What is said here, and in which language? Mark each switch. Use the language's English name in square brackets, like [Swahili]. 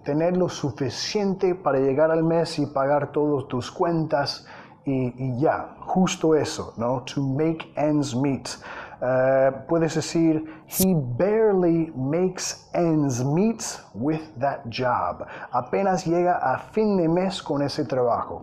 [Spanish] Tener lo suficiente para llegar al mes y pagar todas tus cuentas y ya. Justo eso, ¿no? [English] To make ends meet. [Spanish] Puedes decir, [English] he barely makes ends meet with that job. [Spanish] Apenas llega a fin de mes con ese trabajo.